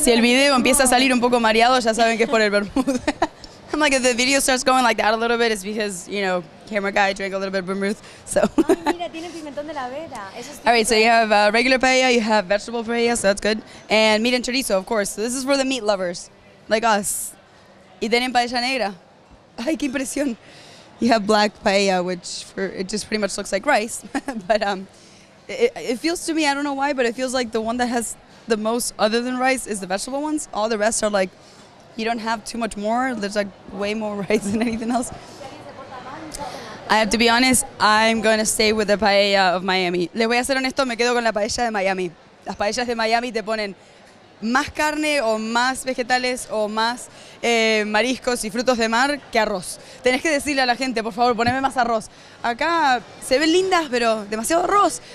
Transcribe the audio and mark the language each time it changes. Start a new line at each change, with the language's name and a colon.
Spanish: si el video empieza a salir un poco mareado, ya saben que es por el vermouth.
English: I'm like, if the video starts going like that a little bit, it's because, you know, camera guy drank a little bit of vermouth, so.
Spanish: Ay, mira, tiene pimentón de la vera. Eso es.
English: All right, so you have regular paella, you have vegetable paella, so that's good. And meat and chorizo, of course. So this is for the meat lovers, like us.
Spanish: Y tienen paella negra. Ay, qué impresión.
English: You have black paella, which for it just pretty much looks like rice. But it feels to me, I don't know why, but it feels like the one that has... The most, other than rice, is the vegetable ones. All the rest are like, you don't have too much more. There's like way more rice than anything else. I have to be honest, I'm going to stay with the paella of Miami.
Spanish: Les voy a ser honesto, me quedo con la paella de Miami. Las paellas de Miami te ponen más carne o más vegetales o más mariscos y frutos de mar que arroz. Tenés que decirle a la gente, por favor, poneme más arroz. Acá se ven lindas, pero demasiado arroz.